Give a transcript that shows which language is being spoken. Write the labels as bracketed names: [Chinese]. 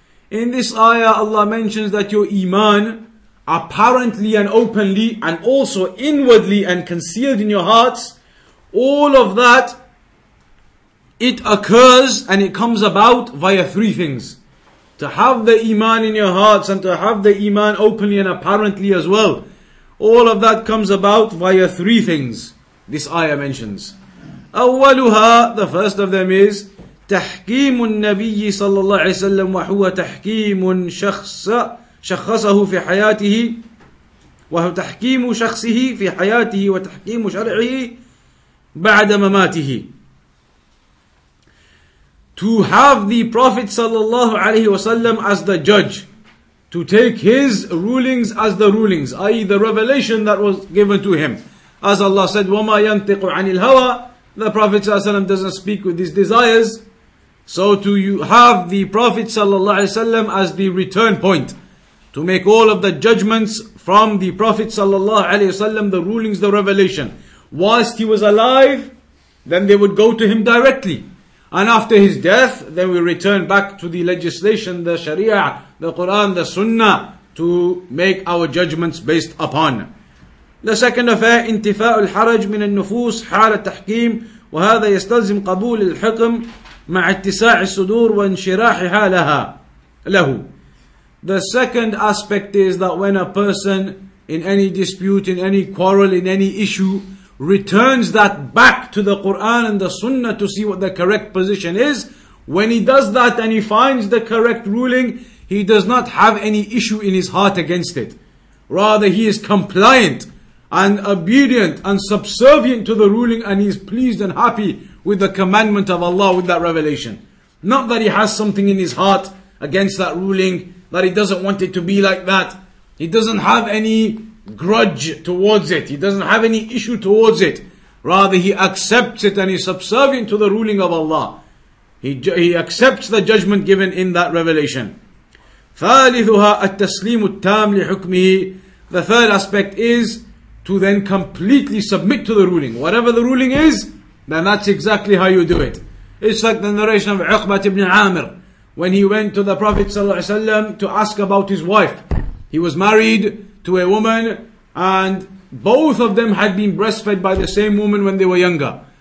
[English] In this ayah, Allah mentions that your iman, apparently and openly, and also inwardly and concealed in your hearts, all of that, it occurs and it comes about via three things. To have the iman in your hearts and to have the iman openly and apparently as well, all of that comes about via three things. This ayah mentions. [Arabic] أولها, [English] the first of them is [Arabic] تحكيم النبي صلى الله عليه وسلم وهو تحكيم شخص شخصه في حياته وهو تحكيم شخصه في حياته وتحكيم شرعه بعد مماته. [English] To have the Prophet sallallahu alaihi wasallam as the judge, to take his rulings as the rulings, i.e. the revelation that was given to him. As Allah said, [Arabic] وَمَا يَنْتِقُ عَنِ الْهَوَىٰ, [English] the Prophet sallallahu alaihi wasallam doesn't speak with his desires. So to have the Prophet sallallahu alaihi wasallam as the return point, to make all of the judgments from the Prophet sallallahu alaihi wasallam, the rulings, the revelation. Whilst he was alive, then they would go to him directly. And after his death, then we return back to the legislation, the Sharia, the Quran, the Sunnah, to make our judgments based upon. The second affair, [Arabic] انتفاءُ الحرج من النفوس حال التحكيم وهذا يستلزم قبول الحكم مع اتساع الصدور وانشراحها لها له. [English] The second aspect is that when a person in any dispute, in any quarrel, in any issue, returns that back to the Quran and the Sunnah to see what the correct position is. When he does that and he finds the correct ruling, he does not have any issue in his heart against it. Rather, he is compliant and obedient and subservient to the ruling, and he is pleased and happy with the commandment of Allah with that revelation. Not that he has something in his heart against that ruling, that he doesn't want it to be like that. He doesn't have any grudge towards it. He doesn't have any issue towards it. Rather, he accepts it and he's subservient to the ruling of Allah. He accepts the judgment given in that revelation. [Arabic] ثالثها التسليم التام لحكمه. [English] The third aspect is to then completely submit to the ruling. Whatever the ruling is, then that's exactly how you do it. It's like the narration of Uqbat ibn Amir. When he went to the Prophet ﷺ to ask about his wife. He was married to a woman and both of them had been breastfed by the same woman when they were younger.